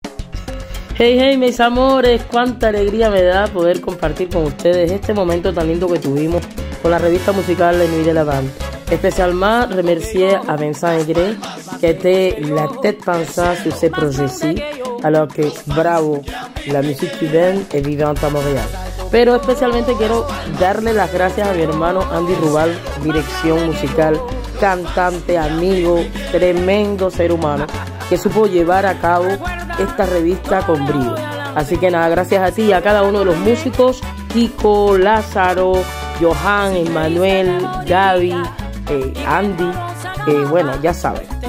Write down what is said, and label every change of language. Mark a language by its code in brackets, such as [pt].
[es] Hey, hey, mis amores, cuánta alegría me da poder compartir con ustedes este momento tan lindo que tuvimos con la revista musical de Nuit de la Band. Especialmente, [fr] remercié a Vincent Aigré, que était la tête pensante sur ce projet-ci, alors que bravo, la musique cubaine est vivante à Montréal. [es] Pero especialmente quiero darle las gracias a mi hermano Andy Rubal, dirección musical, cantante, amigo, tremendo ser humano, que supo llevar a cabo esta revista con brío. Así que nada, gracias a ti y a cada uno de los músicos, Kiko, Lázaro, Johan, Emmanuel, Gaby, Andy, bueno, ya sabes.